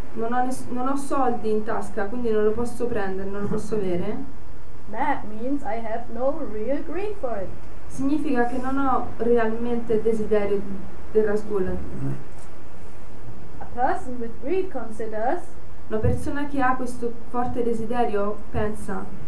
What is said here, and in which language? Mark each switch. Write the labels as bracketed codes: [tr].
[it] Non ho soldi in tasca, quindi non lo posso prendere, non lo posso avere. [en] That means I have no real greed for it. [it] Significa che non ho realmente desiderio del rasgulla. [en] A person with greed considers. [it] Una persona che ha questo forte desiderio pensa.